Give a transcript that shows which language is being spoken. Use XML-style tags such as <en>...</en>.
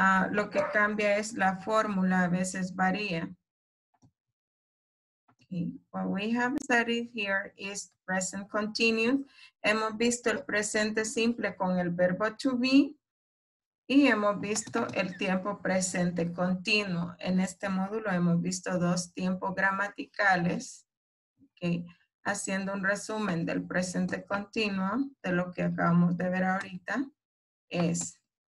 <es>Lo que cambia es la fórmula, a veces varía. Okay.</es> <en>What we have studied here is present continuous.</en> <es>Hemos visto el presente simple con el verbo to be y hemos visto el tiempo presente continuo. En este módulo hemos visto dos tiempos gramaticales. Okay. Haciendo un resumen del presente continuo, de lo que acabamos de ver ahorita, es...</es>